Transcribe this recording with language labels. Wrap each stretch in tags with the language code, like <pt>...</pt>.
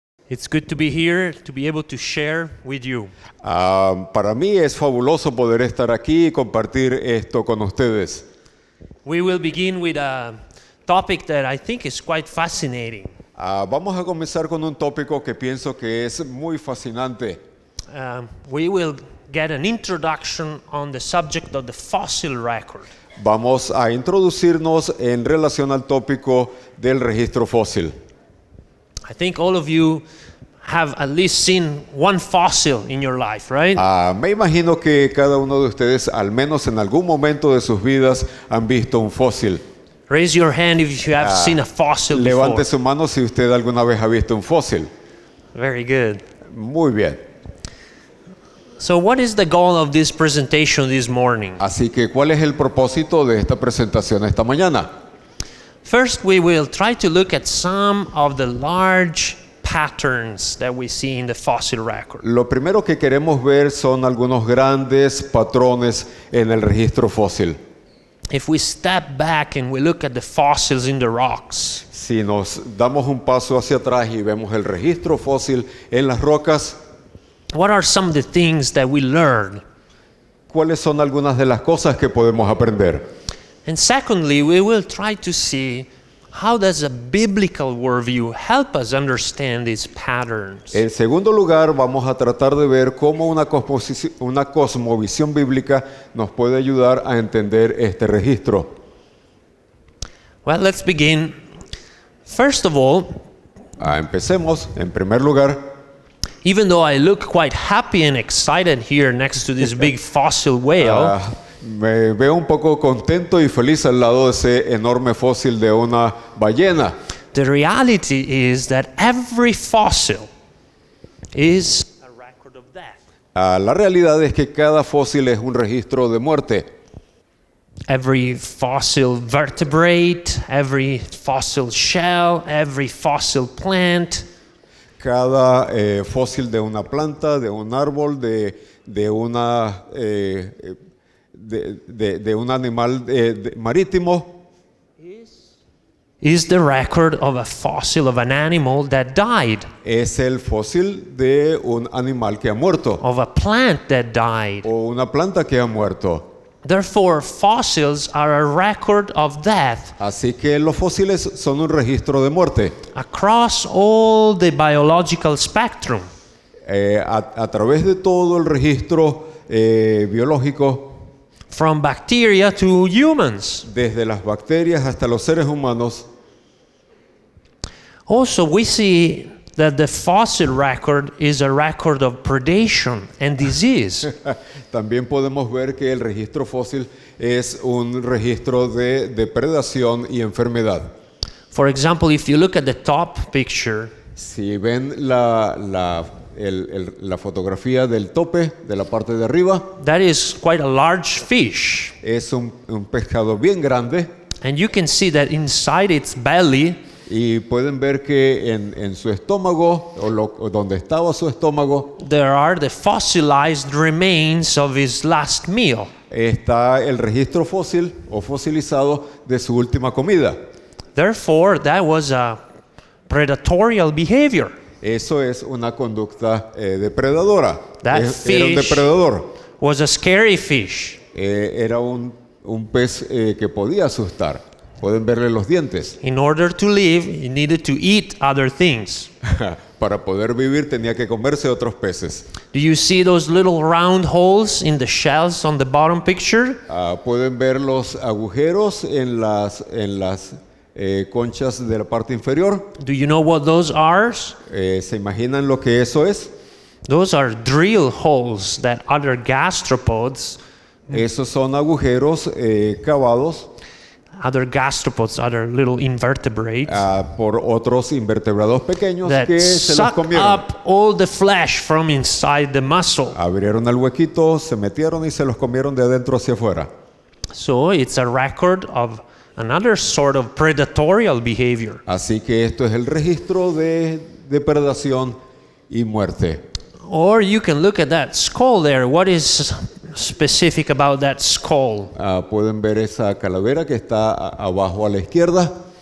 <en>It's good to be here, to be able to share with you.</en> <es>Para mí es fabuloso poder estar aquí y compartir esto con ustedes.</es> <en>We will begin with a topic that I think is quite fascinating.</en> <es>Vamos a comenzar con un tópico que pienso que es muy fascinante.</es> <en>We will get an introduction on the subject of the fossil record.</en> <es>Vamos a introducirnos en relación al tópico del registro fósil.</es> <en>I think all of you have at least seen one fossil in your life, right?</en> <es>Me imagino que cada uno de ustedes, al menos en algún momento de sus vidas, han visto un fósil.</es> <en>Raise your hand if you have seen a fossil before.</en> <es>Levante su mano si usted alguna vez ha visto un fósil.</es> <en>Very good.</en> <es>Muy bien.</es> <en>So what is the goal of this presentation this morning?</en> <es>Así que, ¿cuál es el propósito de esta presentación esta mañana?</es> <en>First, we will try to look at some of the large patterns that we see in the fossil record.</en> <es>Lo primero que queremos ver son algunos grandes patrones en el registro fósil.</es> <en>If we step back and we look at the fossils in the rocks,</en> <es>si nos damos un paso hacia atrás y vemos el registro fósil en las rocas,</es> <en>what are some of the things that we learn?</en> <es>¿Cuáles son algunas de las cosas que podemos aprender?</es> <en>And secondly, we will try to see how does a biblical worldview help us understand these patterns.</en> <es>En segundo lugar, vamos a tratar de ver cómo una cosmovisión bíblica nos puede ayudar a entender este registro.</es> <en>Well, let's begin. First of all,</en> <es>empecemos en primer lugar.</es> <en>Even though I look quite happy and excited here next to this big fossil whale.</en> <es>Me veo un poco contento y feliz al lado de ese enorme fósil de una ballena.</es> <en>The reality is that every fossil is a record of death.</en> <es>La realidad es que cada fósil es un registro de muerte.</es> <en>Every fossil vertebrate, every fossil shell, every fossil plant.</en> <es>Cada fósil de una planta, de un árbol, de un animal marítimo</es> <en>is the record of a fossil of an animal that died.</en> <es>Es el fósil de un animal que ha muerto.</es> <en>Of a plant that died.</en> <es>O una planta que ha muerto.</es> <en>Therefore, fossils are a record of death.</en> <es>Así que los fósiles son un registro de muerte.</es> <en>Across all the biological spectrum.</en> <es>A través de todo el registro biológico.</es> <en>From bacteria to humans.</en> <es>Desde las bacterias hasta los seres humanos.</es> <en>Also, we see that the fossil record is a record of predation and disease.</en> <es>También podemos ver que el registro fósil es un registro de depredación y enfermedad.</es> <en>For example, if you look at the top picture,</en> <es>si ven la fotografía del tope, de la parte de arriba,</es> <en>that is quite a large fish.</en> <es>Es un pescado bien grande.</es> <en>And you can see that inside its belly,</en> <es>y pueden ver que en su estómago, o donde estaba su estómago,</es> <en>there are the fossilized remains of his last meal.</en> <es>Está el registro fósil o fosilizado de su última comida.</es> <en>Therefore, that was a predatorial behavior.</en> <es>Eso es una conducta depredadora.</es> <en>That</en> <es>fish era un depredador.</es> <en>Was a scary fish.</en> <es>Era un pez que podía asustar. Pueden verle los dientes.</es> <en>In order to live, he needed to eat other things.</en> <es>Para poder vivir, tenía que comerse otros peces.</es> <en>Do you see those little round holes in the shells on the bottom picture?</en> <es>Pueden ver los agujeros en las conchas de la parte inferior.</es> <en>Do you know what those are?</en> <es>¿Se imaginan lo que eso es?</es> <en>Those are drill holes that other gastropods.</en> <es>Esos son agujeros cavados.</es> <en>Other gastropods, other little invertebrates.</en> <es>Por otros invertebrados pequeños</es> <en>that</en> <es>que se</es> <en>suck</en> <es>los comieron.</es> <en>Up all the flesh from inside the muscle.</en> <es>Abrieron el huequito, se metieron y se los comieron de adentro hacia afuera.</es> <en>So it's a record of another sort of predatorial behavior.</en> <es>Así que esto es el registro de depredación y muerte.</es> <en>Or you can look at that skull there. What is specific about that skull?</en> <es>Pueden ver esa calavera que está abajo a la izquierda.</es>